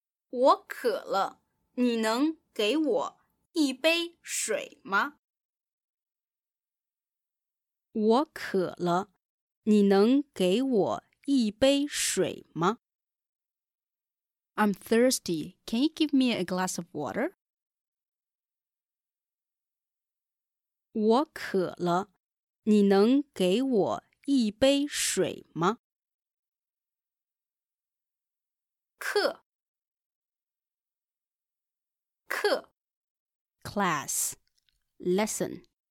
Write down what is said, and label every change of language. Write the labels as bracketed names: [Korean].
[Chinese] 我渴了，你能给我一杯水吗？我渴了，你能给我一杯水吗？ [English] I'm thirsty. Can you give me a glass of water? [Chinese] 我渴了，你能给我一杯水吗？课，课 [English] ，class, lesson。